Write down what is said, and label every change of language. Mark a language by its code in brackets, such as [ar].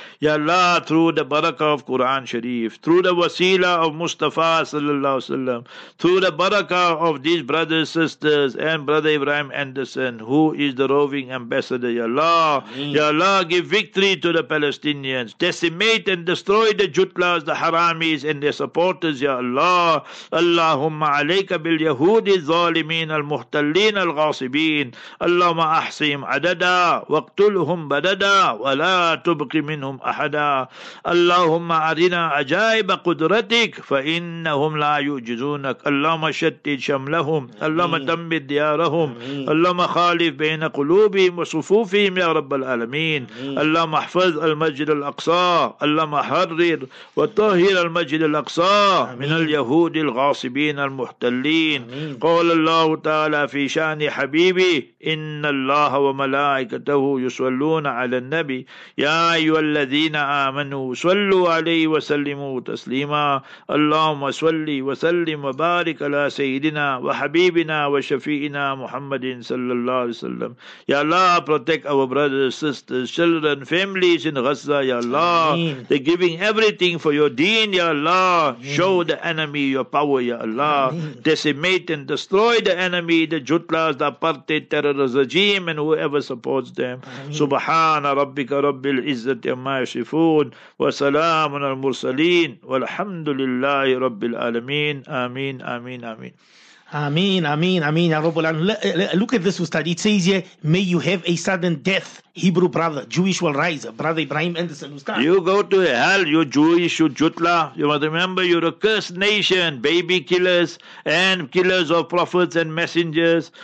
[en] Ya Allah, through the barakah of Quran Sharif, through the wasila of Mustafa [ar] sallallahu alaihi wasallam, [en] through the barakah of these brothers, sisters, and brother Ibrahim Anderson, who is the roving ambassador, Ya Allah, Ameen. Ya Allah, give victory to the Palestinians, decimate and destroy the Jutlas, the Haramis, and their supporters, Ya Allah. [ar] Allahumma alayka bil yahudi zalimin al muhtallin al ghasibin. Allahumma ahsim adada wa اقتلهم بددا ولا تبق منهم احدا اللهم ارنا عجائب قدرتك فانهم لا يعجزونك اللهم شتت شملهم اللهم دمر ديارهم اللهم خالف بين قلوبهم وصفوفهم يا رب العالمين اللهم احفظ المسجد الاقصى اللهم حرر وطهر المسجد الاقصى من اليهود الغاصبين المحتلين قال الله تعالى في شان حبيبي ان الله الله وملائكته يصلون على النبي يا أيها الذين آمنوا صلوا عليه وسلموا تسليما اللهم صل وسلم وبارك على سيدنا وحبيبنا وشفيئنا محمد صلى الله عليه وسلم [en] يا الله protect our brothers, sisters, children, families in Gaza, يا الله they're giving everything for your deen, يا الله show the enemy your power, يا الله decimate and destroy the enemy, the jutlas, the apartheid terrorist regime and whoever supports them. [ar] سبحان ربك رب العزة عما يصفون وسلام على المرسلين والحمد لله رب العالمين آمين آمين آمين Ameen, ameen, ameen, ya Rabbul Alameen. [en] Look at this, [ar] Ustad. [en] It says here, may you have a sudden death, Hebrew brother. Jewish will rise. Brother Ibrahim Anderson, Ustad. You go to hell, you Jewish, you Jutla. You must remember, you're a cursed nation, baby killers and killers of prophets and messengers.